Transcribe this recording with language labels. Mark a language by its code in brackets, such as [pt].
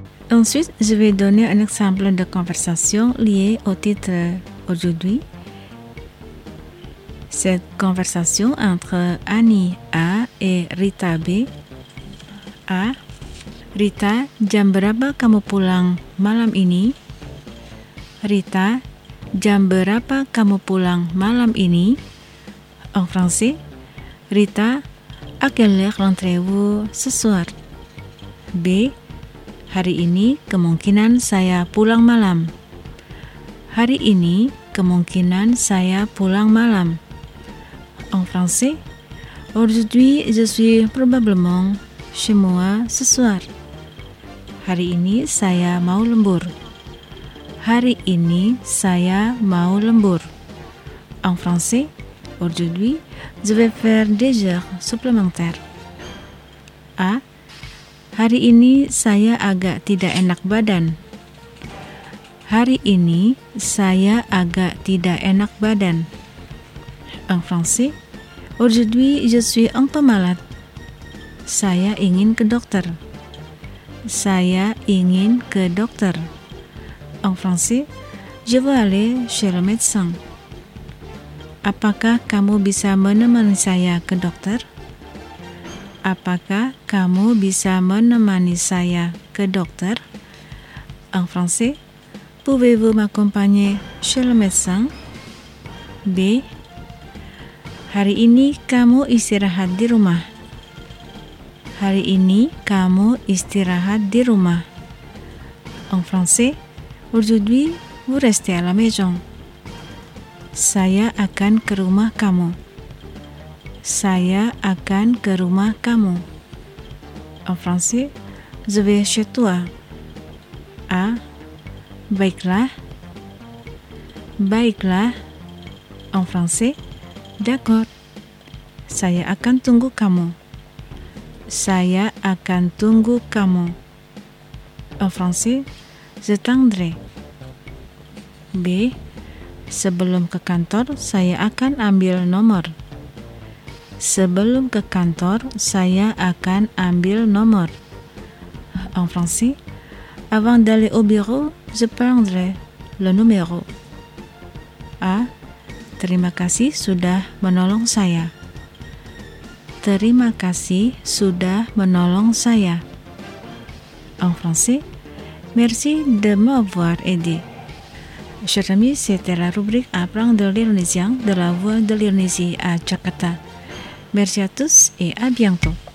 [fr] Ensuite, je vais donner un exemple de conversation liée au titre aujourd'hui. Cette conversation entre Annie A et Rita B. A. [id] Rita, jam berapa kamu pulang malam ini? Rita, jam berapa kamu pulang malam ini? [fr] En français, Rita, à quelle heure rentrez-vous ce soir? B. [id] Hari ini kemungkinan saya pulang malam. Hari ini kemungkinan saya pulang malam. [fr] En français, aujourd'hui je suis probablement chez moi ce soir. [id] Hari ini saya mau lembur. Hari ini saya mau lembur. [fr] En français, aujourd'hui je vais faire des heures supplémentaires. A. [id] Hari ini saya agak tidak enak badan. Hari ini saya agak tidak enak badan. [fr] En français, aujourd'hui je suis un peu malade. [id] Saya ingin ke dokter. Saya ingin ke dokter. [fr] En français, je veux aller chez le médecin. [id] Apakah kamu bisa menemani saya ke dokter? Apakah kamu bisa menemani saya ke dokter? [fr] En français, pouvez-vous m'accompagner chez le médecin? B. [id] Hari ini kamu istirahat di rumah. Hari ini kamu istirahat di rumah. [fr] En français, aujourd'hui, vous restez à la maison. [id] saya akan ke rumah kamu. Saya akan ke rumah kamu. [fr] En français, je vais chez toi. [id] A, baiklah. Baiklah. [fr] En français, d'accord. [id] Saya akan tunggu kamu. Saya akan tunggu kamu. [fr] En français, je t'attendrai. [id] B, sebelum ke kantor, saya akan ambil nomor. Sebelum ke kantor, saya akan ambil nomor. [fr] En français, avant d'aller au bureau, je prendrai le numéro. [id] A, terima kasih sudah menolong saya. Terima kasih sudah menolong saya. [fr] En français, merci de m'avoir aidé. Chers amis, c'était la rubrique Apprendre l'Indonésien de la Voix de l'Indonésie à Jakarta. Merci à tous et à bientôt.